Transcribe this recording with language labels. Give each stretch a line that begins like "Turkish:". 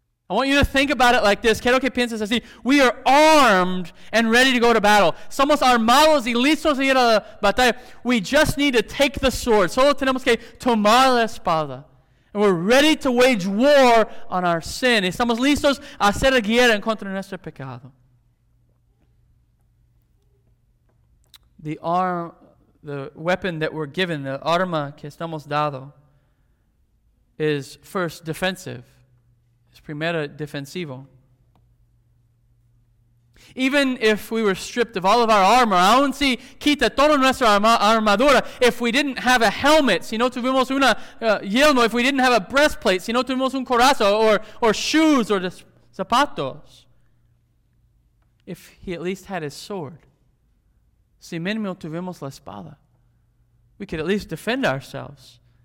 English: I want you to think about it like this.
Spanish: Quiero que pienses así.
English: We are armed and ready to go to battle.
Spanish: Somos armados y listos a ir a la batalla.
English: We just need to take the sword.
Spanish: Solo tenemos que tomar la espada.
English: And we're ready to wage war on our sin.
Spanish: Estamos listos a hacer guerra en contra de nuestro pecado.
English: The weapon that we're given, the
Spanish: arma que estamos dado,
English: is first defensive.
Spanish: Primera defensivo.
English: Even if we were stripped of all of our armor,
Spanish: aún si quita toda nuestra armadura,
English: if we didn't have a helmet,
Spanish: si no tuvimos una yelmo,
English: if we didn't have a breastplate,
Spanish: si no tuvimos un corazo,
English: or shoes, or zapatos, if he at least had his sword,
Spanish: si mínimo tuvimos la espada,
English: we could at least defend ourselves.